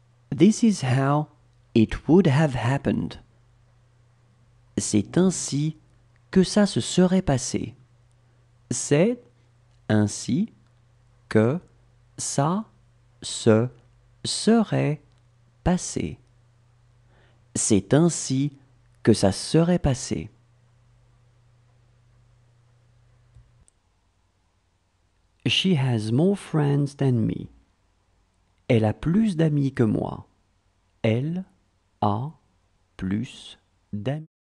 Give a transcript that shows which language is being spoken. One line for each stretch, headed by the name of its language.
English: This is how it would have happened.
French: C'est ainsi que ça se serait passé. C'est ainsi que ça se serait passé. C'est ainsi que ça serait passé.
English: She has more friends than me.
French: Elle a plus d'amis que moi. Elle a plus d'amis.